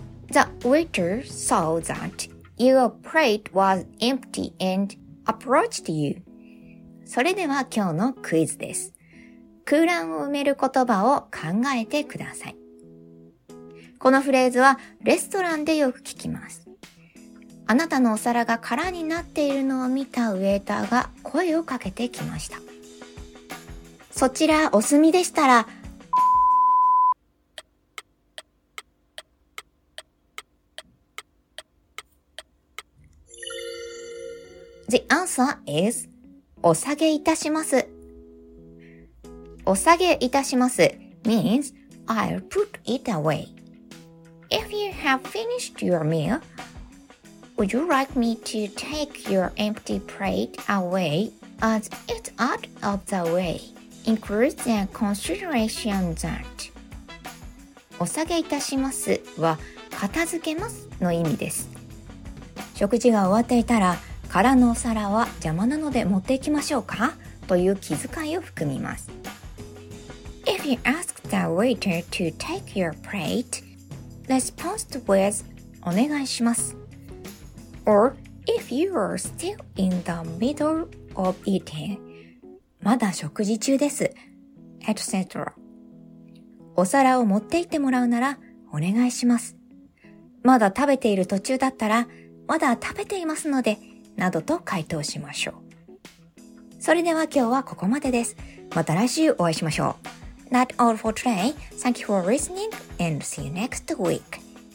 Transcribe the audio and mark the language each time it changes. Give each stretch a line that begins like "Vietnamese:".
English: The waiter saw thatYour plate was empty and approached you.
Japanese: それでは今日のクイズです。空欄を埋める言葉を考えてください。このフレーズはレストランでよく聞きます。あなたのお皿が空になっているのを見たウェイターが声をかけてきました。そちらお済みでしたら、
English: The answer is,
Japanese: お下げいたします。お下げいたします
English: means, I'll put it away. If you have finished your meal, would you like me to take your empty plate away as it's out of the way? Include the consideration that.
Japanese: お下げいたしますは、片付けますの意味です。食事が終わっていたら、空のお皿は邪魔なので持っていきましょうかという気遣いを含みます。
English: If you ask the waiter to take your plate, respond with
Japanese: お願いします。
English: Or if you are still in the middle of eating,
Japanese: まだ食事中です、
English: etc.
Japanese: お皿を持って行ってもらうならお願いします、まだ食べている途中だったらまだ食べていますのでなどと回答しましょう。それでは今日はここまでです。また来週お会いしましょう。
English: That's all for today. Thank you for listening and see you next week.